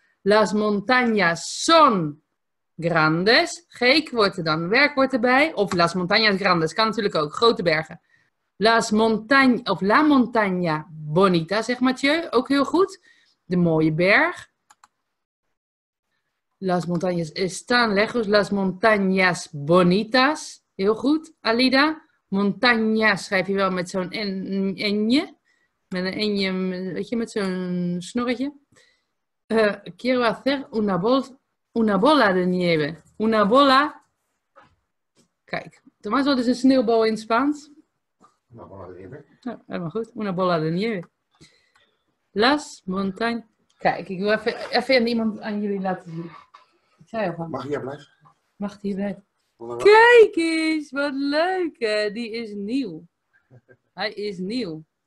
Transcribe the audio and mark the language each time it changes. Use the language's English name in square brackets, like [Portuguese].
[Spanish] Las montañas son grandes. [Dutch] Geek wordt er dan, werkwoord erbij. Of [Spanish] las montañas grandes, [Dutch] kan natuurlijk ook, grote bergen. [Spanish] Las montañas, [Dutch] of [Spanish] la montaña bonita, [Dutch] zegt Mathieu, ook heel goed. De mooie berg. [Spanish] Las montañas están lejos, las montañas bonitas. [Dutch] Heel goed, Alida. Montaña schrijf je wel met zo'n enje. Met een enje, weet je, met zo'n snorretje. [Spanish] Quiero hacer una bola de nieve. Una bola. [Dutch] Kijk, er was wel dus een sneeuwbal in Spaans. [Spanish] Una bola de nieve. [Dutch] Oh, helemaal goed, [Spanish] una bola de nieve. Las montaña. [Dutch] Kijk, ik wil even aan iemand aan jullie laten zien. Mag hier blijven? Mag hier blijven. Kijk eens, wat leuk hè. Die is nieuw. Hij is nieuw.